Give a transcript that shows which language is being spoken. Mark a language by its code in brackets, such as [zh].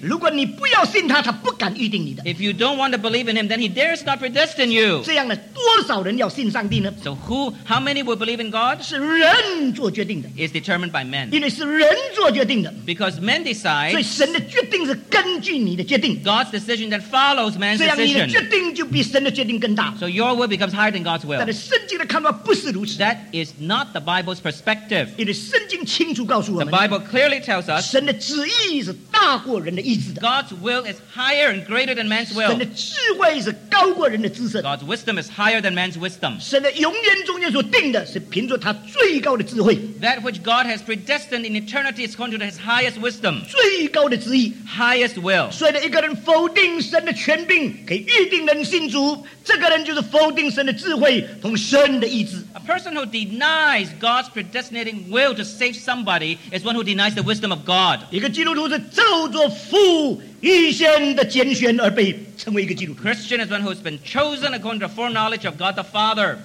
[zh] 如果你不要信他，他不敢预定你的。 [en] If you don't want to believe in him, then he dares not predestine you. [zh] 这样呢，多少人要信上帝呢？ [en] So who, how many will believe in God? [zh] 是人做决定的。 [en] Is determined by men. [zh] 因为是人做决定的。 [en] Because men decide. [zh] 所以神的决定是根据你的决定。 [en] God's decision that follows man's decision. [zh] 这样你的决定就比神的决定更大。 [en] So your will becomes higher than God's will. [zh] 但是圣经的看法不是如此。 [en] That is not the Bible's perspective. [zh] 因为圣经清楚告诉我们。 [en] The Bible clearly tells us. [zh] 神的旨意是大 [en] God's will is higher and greater than man's will. God's wisdom is higher than man's wisdom. That which God has predestined in eternity is according to his highest wisdom. Highest will. So that [zh] 一个人否定神的权柄，可以预定人信主，这个人就是否定神的智慧同神的意志。 [en] A person who denies God's predestinating will to save somebody is one who denies the wisdom of God. [zh] 一个基督徒是照着父意先的拣选而被称为一个基督徒。 [en] Christian is one who has been chosen according to the foreknowledge of God the Father.